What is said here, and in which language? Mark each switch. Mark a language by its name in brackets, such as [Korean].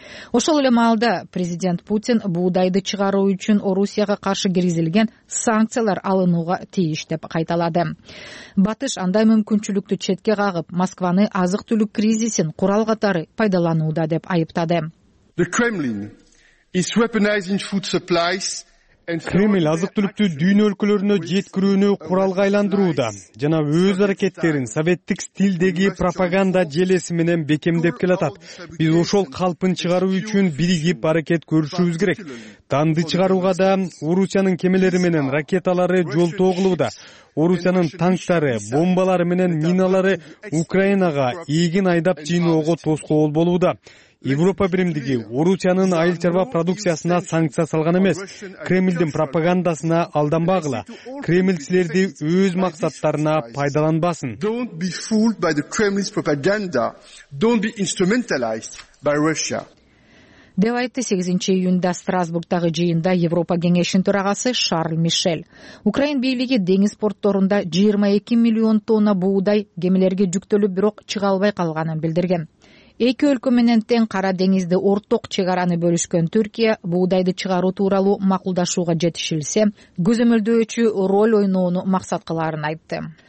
[Kyrgyz] Ошол эле маалда президент Путин буудайды чыгаруу үчүн Орусияга каршы киргизилген санкциялар алынууга тийиш деп кайталады. Батыш андай мүмкүнчүлүктү четке кагып, Москваны азык-түлүк кризисин курал катары пайдаланууда деп айыптады. [English] The Kremlin is weaponizing food supplies and [Kyrgyz] Кремль азык-түлүктү дүйнө өлкөлөрүнө жеткирүүнү куралга айландырууда жана өз аракеттерин советтик стилдеги пропаганда желеси менен бекемдеп келатат. Биз ошол калпын чыгаруу үчүн биригип аракет көрүшүбүз керек. Данды чыгарууга да Орусиянын кемелери менен ракеталары жол тогулууда. Орусиянын танктары, бомбалары менен миналары Украинага эгин айдап жыйноого тоскоол болууда. Европа биримдиги Орусиянын айыл чарба продукциясына санкция салган эмес. Кремлдин пропагандасына алданбагыла. Кремль силерди өз максаттарына пайдаланбасын. [English] Don't be fooled by the Kremlin's propaganda. Don't be instrumentalized by Russia. [Kyrgyz] деп айтты 8 июнда Страсбургтагы жыйында Европа кеңешинин төрагасы Шарль Мишель. Украин бийлиги деңиз портторунда 22 миллион тонна буудай кемелерге жүктөлүп, бирок чыга албай калганын билдирген. Эки өлкө менен тең Кара деңизди ортак чек араны бөлүшкөн Түркия буудайды чыгаруу тууралуу макулдашууга жетишилсе, көзөмөлдөөчү роль ойнонуу максат кыларын айтты.